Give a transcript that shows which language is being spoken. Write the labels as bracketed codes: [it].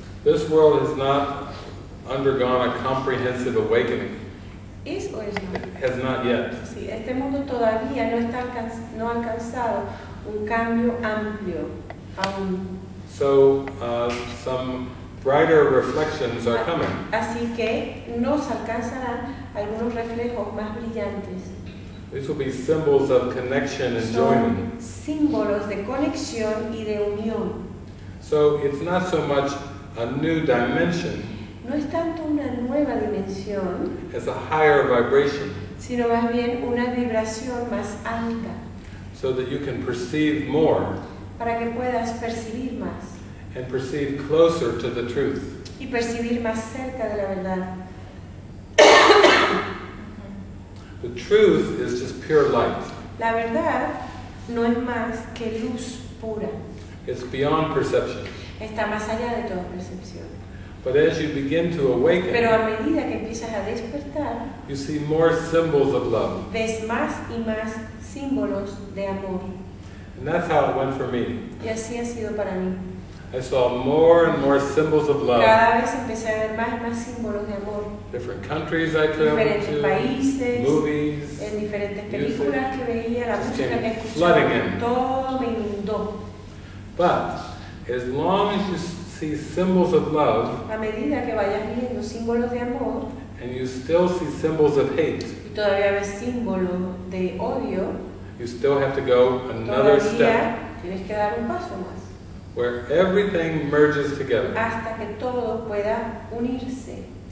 [en] This world is not undergone a comprehensive awakening. Is or is not? It has not yet. [es] Sí, este mundo todavía no está no ha alcanzado un cambio amplio aún. [en] So, some brighter reflections are coming. [es] Así que nos alcanzarán algunos reflejos más brillantes. [en] These will be symbols of connection and joining. [es] Símbolos de conexión y de unión. [en] So, it's not so much a new dimension. [es] No es tanto una nueva dimensión, [en] as a higher vibration, [es] sino más bien una vibración más alta, [en] so that you can perceive more, [es] para que puedas percibir más, [en] and perceive closer to the truth, [es] y percibir más cerca de la verdad. [en] The truth is just pure light. [es] La verdad no es más que luz pura. [en] It's beyond perception. [es] Está más allá de toda percepción. [en] But as you begin to awaken, [es] pero a medida que empiezas a despertar, [en] you see more symbols of love. [es] Ves más y más símbolos de amor. [en] And that's how it went for me. [es] Y así ha sido para mí. [en] I saw more and more symbols of love. [es] Cada vez empecé a ver más y más símbolos de amor. [en] Different countries I traveled [es] diferentes [en] to, [es] países, [en] movies, [es] en diferentes películas [en] music, [es] que veía, la música que escuchaba, [en] flooding in. [es] Todo me inundó. [en] But as long as you see symbols of love, [es] a medida que vayas viendo símbolos de amor, [en] and you still see symbols of hate, [es] y todavía ves símbolo de odio, [en] you still have to go another [es] todavía [en] step, [es] tienes que dar un paso más, [en] where everything merges together, [es] hasta que todo pueda unirse,